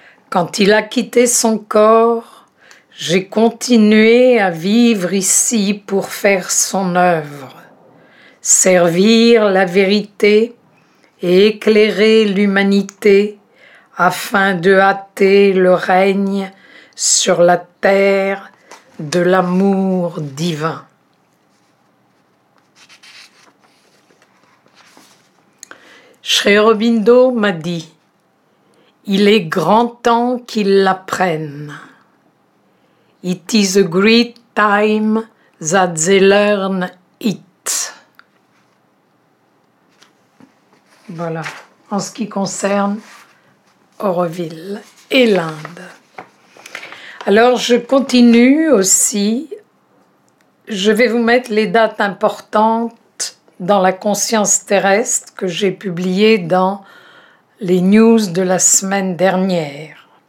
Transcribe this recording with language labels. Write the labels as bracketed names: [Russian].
[French] Quand il a quitté son corps, j'ai continué à vivre ici pour faire son œuvre, servir la vérité et éclairer l'humanité afin de hâter le règne sur la terre de l'amour divin. Sri Aurobindo m'a dit, il est grand temps qu'il l'apprenne. [English] It is a great time that they learn it. [French] Voilà, en ce qui concerne Auroville et l'Inde. Alors, je continue aussi. Je vais vous mettre les dates importantes dans la conscience terrestre que j'ai publiée dans les news de la semaine dernière.